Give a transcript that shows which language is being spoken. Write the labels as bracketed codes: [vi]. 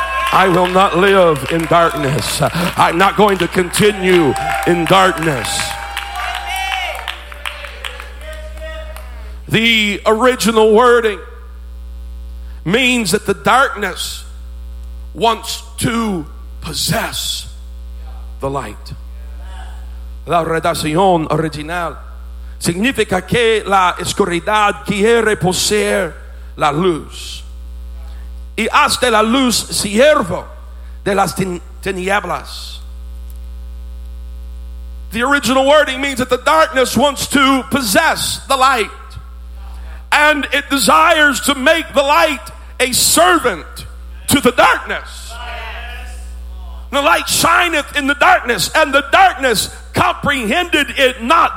[en] I will not live in darkness. I'm not going to continue in darkness. The original wording means that the darkness wants to possess the light. [es] La redacción original significa que la oscuridad quiere poseer la luz. Y hazte la luz siervo de las tinieblas. [en] The original wording means that the darkness wants to possess the light. And it desires to make the light a servant to the darkness. The light shineth in the darkness, and the darkness comprehended it not.